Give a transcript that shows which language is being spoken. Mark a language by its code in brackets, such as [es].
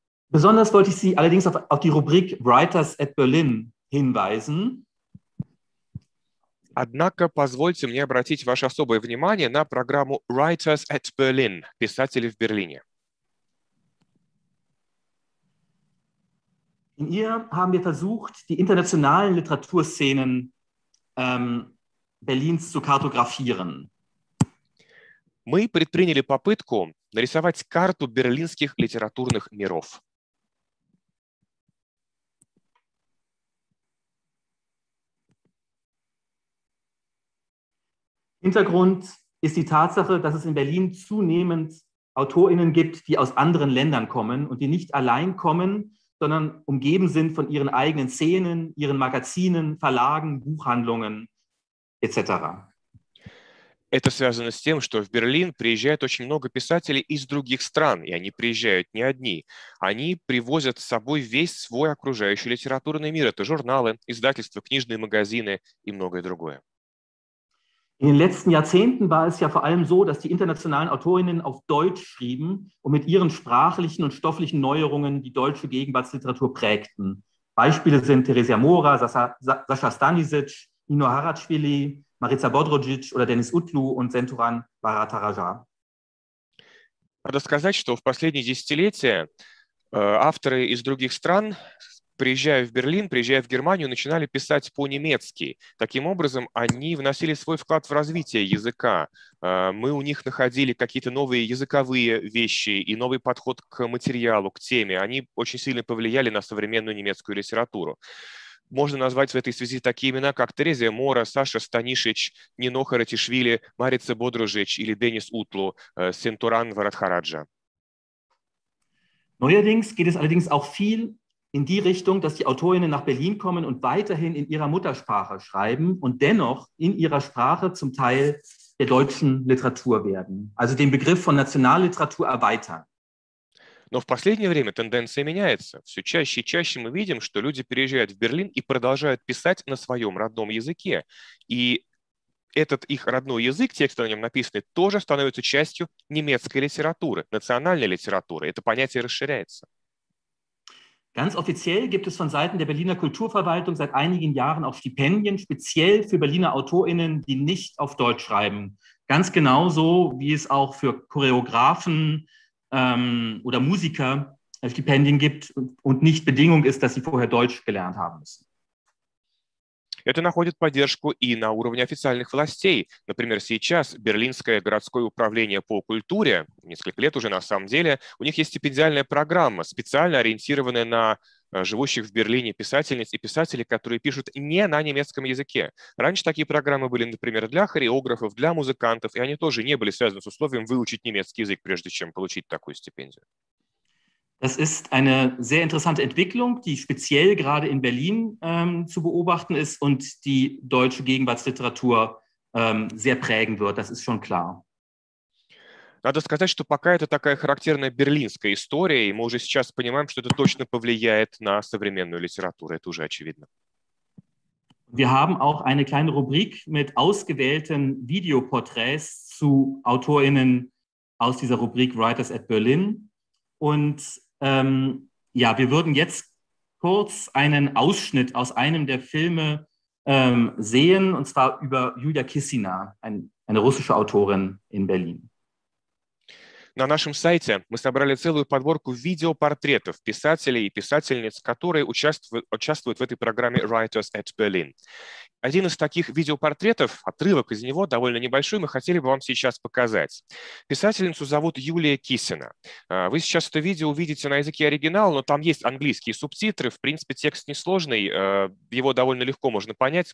[de] Besonders wollte ich Sie allerdings auf die Rubrik Writers at Berlin hinweisen. [ru] Однако позвольте мне обратить ваше особое внимание на программу Writers at Berlin, писатели в Берлине. [de] In ihr haben wir versucht, die internationalen Literaturszenen Berlins zu kartografieren. [ru] Мы предприняли попытку нарисовать карту берлинских литературных миров. [de] Hintergrund ist die Tatsache, dass es in Berlin zunehmend AutorInnen gibt, die aus anderen Ländern kommen und die nicht allein kommen, sondern umgeben sind von ihren eigenen Szenen, ihren Magazinen, Verlagen, Buchhandlungen etc. [ru] Это связано с тем, что в Берлин приезжает очень много писателей из других стран, и они приезжают не одни. Они привозят с собой весь свой окружающий литературный мир. Это журналы, издательства, книжные магазины и многое другое. [de] In den letzten Jahrzehnten war es ja vor allem so, dass die internationalen Autorinnen auf Deutsch schrieben und mit ihren sprachlichen und stofflichen Neuerungen die deutsche Gegenwartsliteratur prägten. Beispiele sind Theresia Mora, Sascha Stanisic, Nino Haratschvili, Maritza Bodrogic oder Denis Utlu und Senturan Varatarajar. [ru] Надо сказать, что в последние десятилетия авторы из других стран приезжая в Берлин, приезжая в Германию, начинали писать по-немецки. Таким образом, они вносили свой вклад в развитие языка. Мы у них находили какие-то новые языковые вещи и новый подход к материалу, к теме. Они очень сильно повлияли на современную немецкую литературу. Можно назвать в этой связи такие имена, как Терезия Мора, Саша Станишич, Нино Харатишвили, Марица Бодружич или Денис Утлу, Сентуран Варадхараджа. [de] Neuerdings geht es allerdings auch viel in die Richtung, dass die Autorinnen nach Berlin kommen und weiterhin in ihrer Muttersprache schreiben und dennoch in ihrer Sprache zum Teil der deutschen Literatur werden, also den Begriff von Nationalliteratur erweitern. [ru] Но в последнее время тенденция меняется. Все чаще и чаще мы видим, что люди переезжают в Берлин и продолжают писать на своем родном языке. И этот их родной язык, текст на нем написанный, тоже становится частью немецкой литературы, национальной литературы. Это понятие расширяется. [de] Ganz offiziell gibt es von Seiten der Berliner Kulturverwaltung seit einigen Jahren auch Stipendien speziell für Berliner AutorInnen, die nicht auf Deutsch schreiben. Ganz genauso, wie es auch für Choreografen oder Musiker Stipendien gibt und nicht Bedingung ist, dass sie vorher Deutsch gelernt haben müssen. [ru] Это находит поддержку и на уровне официальных властей. Например, сейчас Берлинское городское управление по культуре, несколько лет уже на самом деле, у них есть стипендиальная программа, специально ориентированная на живущих в Берлине писательниц и писателей, которые пишут не на немецком языке. Раньше такие программы были, например, для хореографов, для музыкантов, и они тоже не были связаны с условием выучить немецкий язык, прежде чем получить такую стипендию. [de] Das ist eine sehr interessante Entwicklung, die speziell gerade in Berlin zu beobachten ist und die deutsche Gegenwartsliteratur sehr prägen wird, das ist schon klar. [ru] Надо сказать, что пока это такая характерная берлинская история, и мы уже сейчас понимаем, что это точно повлияет на современную литературу, это уже очевидно. [de] Wir haben auch eine kleine Rubrik mit ausgewählten Videoporträts zu AutorInnen aus dieser Rubrik Writers at Berlin. Und ja, wir würden jetzt kurz einen Ausschnitt aus einem der Filme sehen, und zwar über Julia Kissina, eine russische Autorin in Berlin. [ru] На нашем сайте мы собрали целую подборку видеопортретов писателей и писательниц, которые участвуют в этой программе Writers at Berlin. Один из таких видеопортретов, отрывок из него, довольно небольшой, мы хотели бы вам сейчас показать. Писательницу зовут Юлия Кисина. Вы сейчас это видео увидите на языке оригинала, но там есть английские субтитры. В принципе, текст несложный, его довольно легко можно понять.